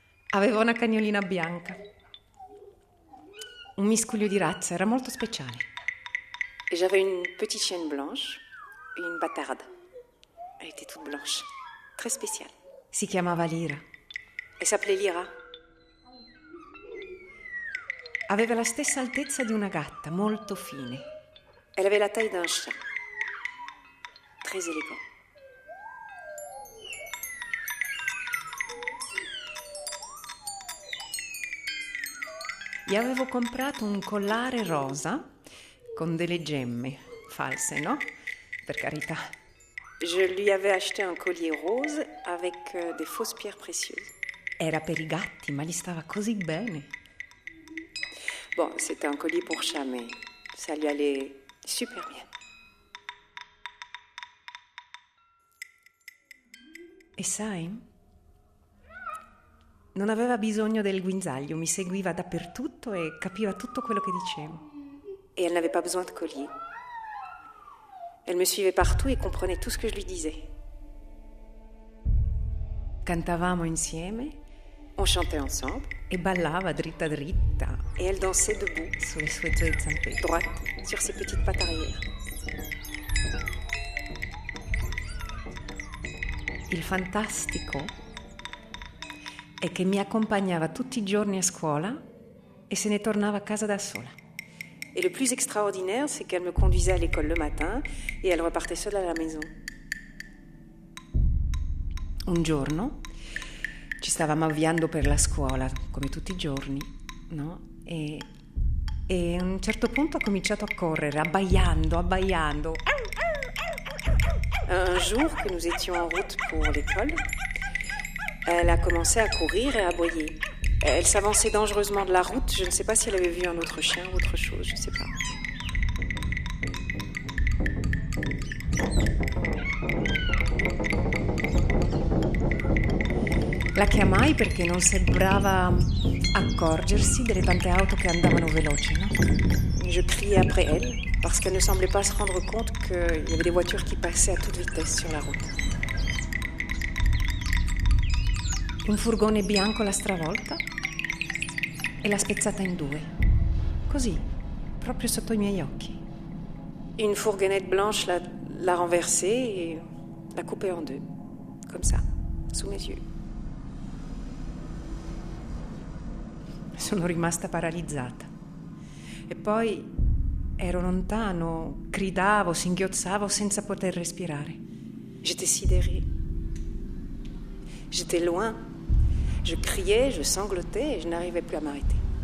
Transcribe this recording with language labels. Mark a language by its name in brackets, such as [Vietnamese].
[Italian] Avevo una cagnolina bianca. Un miscuglio di razza, era molto speciale. [French] Et j'avais une petite chienne blanche et une bâtarde. Elle était toute blanche, très spéciale. [Italian] Si chiamava Lira. [French] Elle s'appelait Lira. [Italian] Aveva la stessa altezza di una gatta, molto fine. [French] Elle avait la taille d'un chat, très élégant. [Italian] Gli avevo comprato un collare rosa. Con delle gemme false, no? Per carità. [French] Je lui avais acheté un collier rose avec des fausses pierres précieuses. [Italian] Era per i gatti, ma gli stava così bene. [French] Bon, c'était un colis pour chat, mais ça lui allait super bien. [Italian] E sai, non aveva bisogno del guinzaglio, mi seguiva dappertutto e capiva tutto quello che dicevo. [French] E elle n'avait pas besoin de collier. Elle me suivait partout et comprenait tout ce que je lui disais. [Italian] Cantavamo insieme, [French] on chantait ensemble, [Italian] e ballava dritta dritta. [French] Et elle dansait debout, [Italian] sulle sue due zampe, [French] droite, sur ses petites pattes arrière. [Italian] Il fantastico è che mi accompagnava tutti i giorni a scuola e se ne tornava a casa da sola. [French] E le plus extraordinaire, c'est qu'elle me conduisait à l'école le matin et elle repartait seule à la maison. [Italian] Un giorno ci stavamo avviando per la scuola, come tutti i giorni, no? E a un certo punto ha cominciato a correre, abbaiando. [French] Un jour que nous étions en route pour l'école, elle a commencé à courir et à aboyer. Elle s'avançait dangereusement de la route. Je ne sais pas si elle avait vu un autre chien ou autre chose, je ne sais pas. [Italian] La chiamai perché non sembrava accorgersi delle tante auto che andavano veloci, no? [French] Je criais après elle parce qu'elle ne semblait pas se rendre compte qu'il y avait des voitures qui passaient à toute vitesse sur la route. [Italian] Un furgone bianco l'ha stravolta e l'ha spezzata in due. Così, proprio sotto i miei occhi. [French] Une fourgonnette blanche l'a renversée et l'a coupée en deux. Comme ça, sous mes yeux. [Italian] Sono rimasta paralizzata. E poi ero lontano, gridavo, singhiozzavo senza poter respirare. [French] J'étais sidérée. J'étais loin. Je criais, je sanglotais et je n'arrivais plus à m'arrêter.